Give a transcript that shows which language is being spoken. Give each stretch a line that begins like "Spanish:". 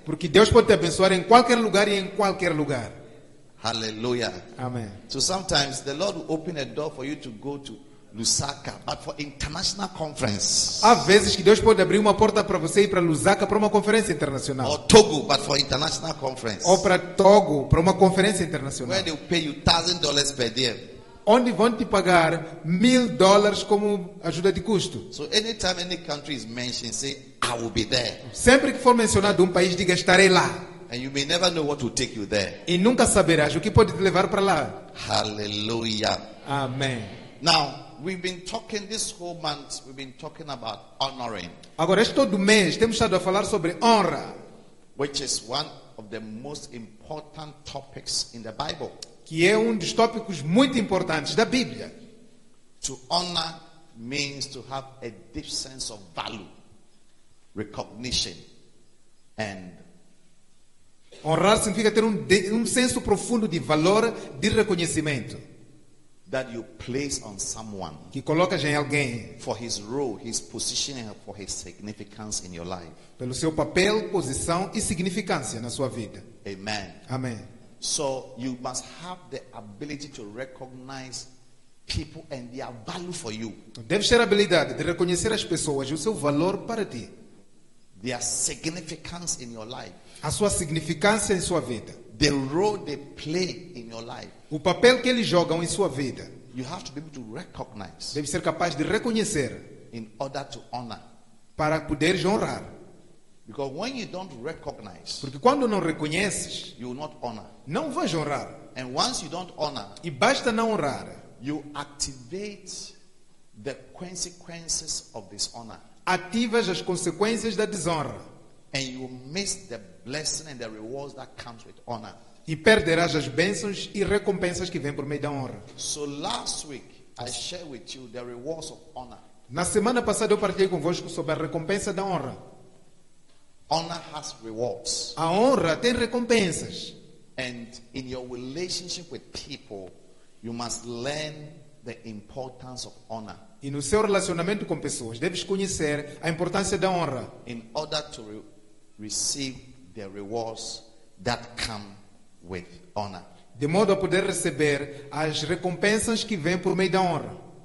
Portuguese: Porque Deus pode te abençoar em qualquer lugar e em qualquer lugar.
English: Hallelujah.
Portuguese: Amém.
English: So sometimes the Lord will open a door for you to go to Lusaka, but for international conference.
Portuguese: Há vezes que Deus pode abrir uma porta para você ir para Lusaka para uma conferência internacional.
English: Or Togo, but for international conference.
Portuguese: Ou para Togo para uma conferência internacional.
English: Where they'll pay you $1,000 per diem.
Portuguese: Onde vão te pagar $1,000 como ajuda de custo.
English: So anytime any country is mentioned, say I will be there.
Portuguese: Sempre que for mencionado um país, diga estarei lá.
English: And you may never know what will take you there.
Portuguese: E nunca saberás o que pode te levar para lá.
English: Hallelujah.
Portuguese: Amém.
English: Now, we've been talking this whole month, we've been talking about honoring.
Portuguese: Agora este todo mês temos estado a falar sobre honra,
English: which is one of the most important topics in the Bible.
Portuguese: Que é dos tópicos muito importantes da Bíblia.
English: To honor means to have a deep sense of value, recognition, and
Portuguese: honrar significa ter um senso profundo de valor, de reconhecimento.
English: That you place on someone.
Portuguese: Que colocas em alguém.
English: For his role, his position, and for his significance in your life.
Portuguese: Pelo seu papel, posição e significância na sua vida.
English: Amen.
Portuguese: Amém.
English: So you must have the ability to recognize people and their value for you.
Portuguese: Deve ter a habilidade de reconhecer as pessoas e o seu valor para ti.
English: Their significance in your life.
Portuguese: A sua significância em sua vida.
English: The role they play in your life.
Portuguese: O papel que eles jogam em sua vida.
English: You have to be able to recognize.
Portuguese: Deve ser capaz de reconhecer.
English: In order to honor.
Portuguese: Para poder honrar.
English: Because when you don't recognize,
Portuguese: porque quando não reconheces,
English: you will not honor.
Portuguese: Não vais honrar.
English: And once you don't honor,
Portuguese: e basta não honrar,
English: you activate the consequences of dishonor.
Portuguese: Ativas as consequências da desonra.
English: And you miss the blessing and the rewards that comes with honor.
Portuguese: E perderás as bênçãos e recompensas que vêm por meio da honra.
English: So last week I shared with you the rewards of honor.
Portuguese: Na semana passada eu partilhei convosco sobre a recompensa da honra.
English: Honor has rewards.
Portuguese: A honra tem recompensas.
English: And in your relationship with people, you must learn the importance of honor.
Portuguese: E no seu relacionamento com pessoas, deves conhecer a importância da honra.
English: In order to receive the rewards that come with honor.
Portuguese: De modo a poder receber as recompensas que vêm por meio da honra.